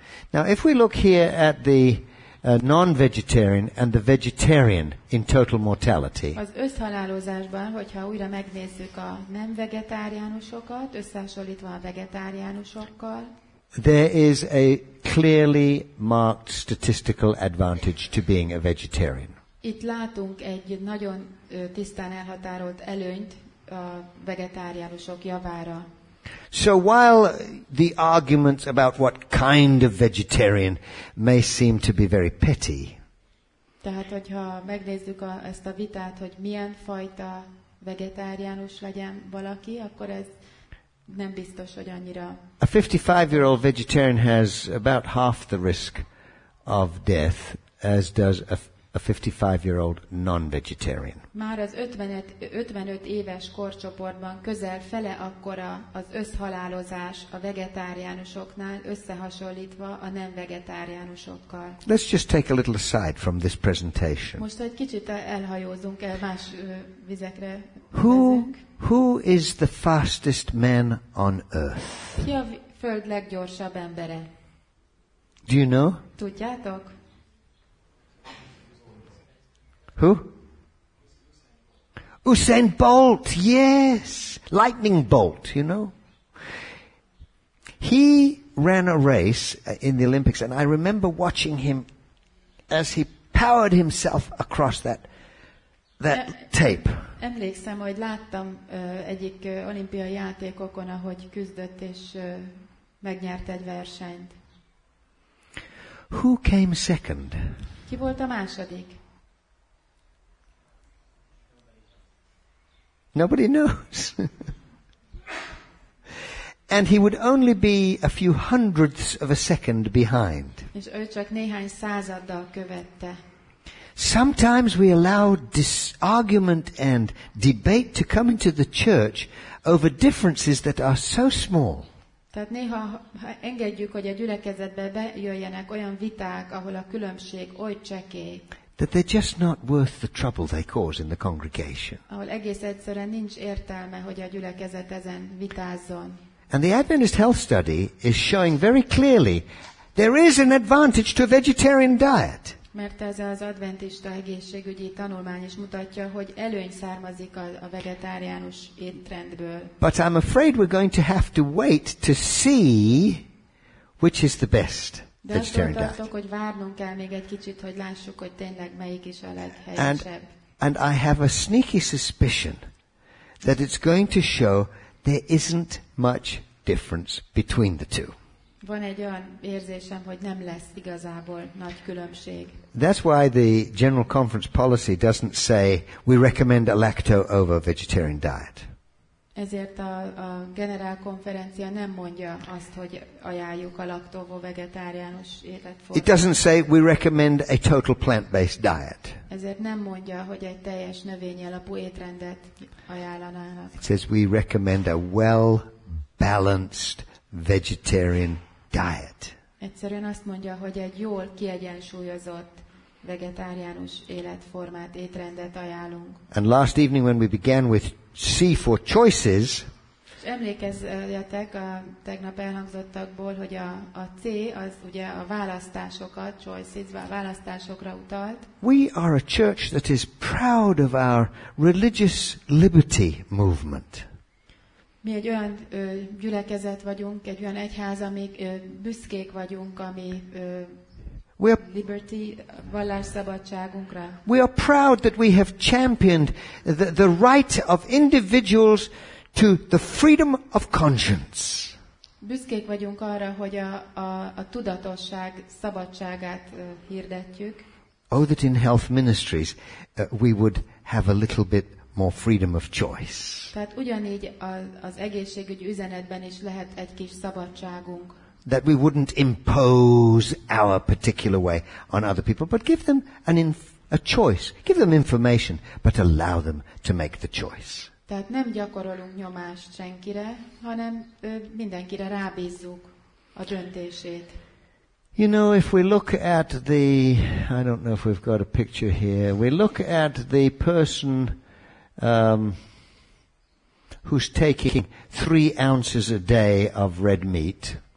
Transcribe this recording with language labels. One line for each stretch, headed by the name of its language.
English: Now, if we look here at the non-vegetarian and the vegetarian in total mortality.
Hungarian: Az összhalálozásban, hogyha újra megnézzük a nem vegetáriánusokat, összehasonlítva a vegetáriánusokkal.
English: There is a clearly marked statistical advantage to being a vegetarian.
Hungarian: Itt látunk egy nagyon tisztán elhatárolt előnyt a vegetáriánusok javára.
English: So while the arguments about what kind of vegetarian may seem to be very petty,
Hungarian: Tehát, hogyha megnézzük ezt a vitát, hogy milyen fajta vegetáriánus legyen valaki, akkor ez nem biztos, hogy annyira.
English: A 55-year-old vegetarian has about half the risk of death as does a 55-year-old non-vegetarian.
Hungarian: Már az 55 éves korcsoportban közel fele akkora az összhalálozás a vegetáriánusoknál összehasonlítva a nem vegetáriánusokkal.
English: Let's just take a little aside from this presentation.
Hungarian: Most egy kicsit elhajózunk el más vizekre.
English: Who is the fastest man on earth?
Hungarian: Ki a föld leggyorsabb embere?
English: Do you know?
Hungarian: Tudjátok?
English: Who? Usain Bolt, yes. Lightning Bolt, you know. He ran a race in the Olympics, and I remember watching him as he powered himself across that tape.
Hungarian: Emlékszem, hogy láttam egyik olimpiai játékokon, ahogy küzdött és megnyert egy versenyt.
English: Who came second?
Hungarian: Ki volt a második?
English: Nobody knows. And he would only be a few hundredths of a second behind.
Hungarian: És ő csak néhány századdal követte.
English: Sometimes we allow this argument and debate to come into the church over differences that are so small.
Hungarian: Tehát néha engedjük, hogy a gyülekezetbe bejöjjenek olyan viták, ahol a különbség oly csekély.
English: That they're just not worth the trouble they cause in the congregation.
Hungarian: Ahol egész egyszerűen nincs értelme, hogy a gyülekezet ezen vitázzon.
English: And the Adventist health study is showing very clearly there is an advantage to a vegetarian diet.
Hungarian: Mert ez az adventista egészségügyi tanulmány is mutatja, hogy előny származik a vegetáriánus étrendből.
English: But I'm afraid we're going to have to wait to see which is the best.
Hungarian: De azt mondtátok, hogy várnunk kell még egy kicsit, hogy lássuk, hogy tényleg melyik is a leghelyesebb.
English: And I have a sneaky suspicion that it's going to show there isn't much difference between the two.
Hungarian: Van egy olyan érzésem, hogy nem lesz igazából nagy különbség.
English: That's why the General Conference policy doesn't say we recommend a lacto over vegetarian diet.
Hungarian: Ezért a generál konferencia nem mondja azt, hogy ajánljuk a laktóvó vegetáriánus életformát.
English: It doesn't say we recommend a total plant-based diet.
Hungarian: Ezért nem mondja, hogy egy teljes növény alapú étrendet ajánlanának.
English: It says we recommend a well-balanced vegetarian diet.
Hungarian: Egyszerűen azt mondja, hogy egy jól kiegyensúlyozott vegetáriánus életformát, étrendet ajánlunk.
English: And last evening when we began with C for choices.
Hungarian: Emlékezzetek a tegnap elhangzottakból, hogy a C az ugye a választásokat, choices, választásokra utalt.
English: We are a church that is proud of our religious liberty movement.
Hungarian: Mi egy olyan gyülekezet vagyunk, egy olyan egyház, amik büszkék vagyunk, ami liberty, vallásszabadságunkra.
English: We are proud that we have championed the right of individuals to the freedom of conscience.
Hungarian: Büszkék vagyunk arra, hogy a tudatosság szabadságát hirdetjük.
English: Oh, that in health ministries we would have a little bit more freedom of choice.
Hungarian: Tehát ugyanígy az egészségügyi üzenetben is lehet egy kis szabadságunk.
English: That we wouldn't impose our particular way on other people, but give them a choice. Give them information, but allow them to make the choice.
Hungarian: Tehát nem gyakorolunk nyomást senkire, hanem mindenkire rábízzuk a döntését.
English: You know, if we look at the, I don't know if we've got a picture here, we look at the person who's taking 3 ounces a day of red meat.